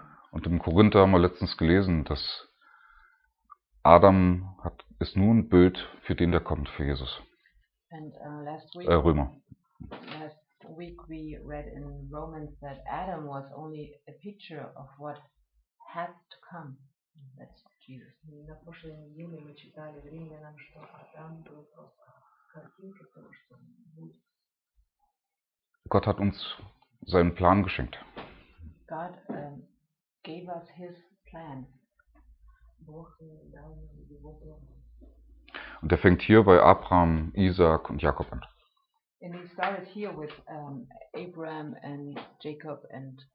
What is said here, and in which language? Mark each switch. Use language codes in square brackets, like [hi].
[de] Und im Korinther haben wir letztens gelesen, dass Adam ist nur ein Bild für den, der kommt, für Jesus. [en] And, last week, [de] Römer. [en] Last week we read in Romans that Adam was only a picture of what had to come. That's Jesus. [ru] На прошлой неделе мы читали в Римлянам, что Адам был просто картинка того, что будет. [de] Gott hat uns seinen Plan geschenkt. [en] God gave us his plan. [de] Und er fängt hier bei Abraham, Isaac und Jakob an. [en] And he started here with Abraham and Jacob and